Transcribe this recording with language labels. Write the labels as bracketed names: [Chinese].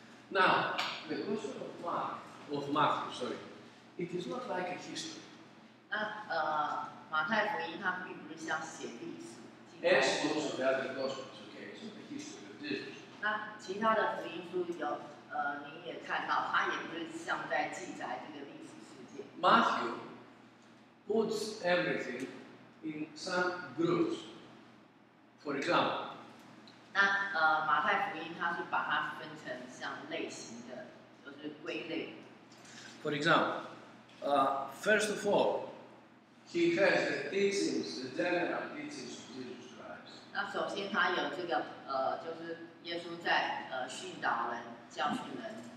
[English] Now the Gospel of Matthew, it is not like a history. [Chinese] 那马太福音它并不是像写历史。 [English] As also the other gospels, okay, it's not a history of Jesus. [Chinese] 那其他的福音书有您也看到，它也不是像在记载这个历史事件。 [English] Matthew puts everything in some groups. For example. [Chinese] 那马太福音它是把它分成像类型的，就是归类。 [English] For example, first of all, he has the teachings, the general teachings of Jesus Christ. [Chinese] 那首先他有这个就是耶稣在训导人、教训人。